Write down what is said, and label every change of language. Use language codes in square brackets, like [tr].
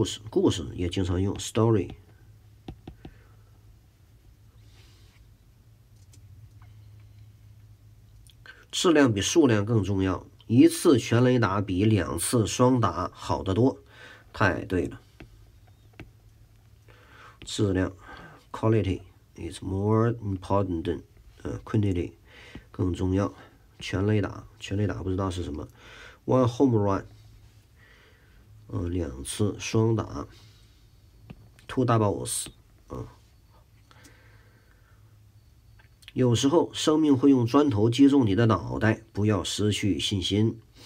[zh] 故事也经常用 story。质量比数量更重要，一次全雷打比两次双打好得多。太对了，质量 [en] quality is more important than quantity [zh] 更重要。全雷打不知道是什么， [en] one home run， [zh] 两次双打， [en] two doubles， [zh] 有时候，生命会用砖头击中你的脑袋，不要失去信心。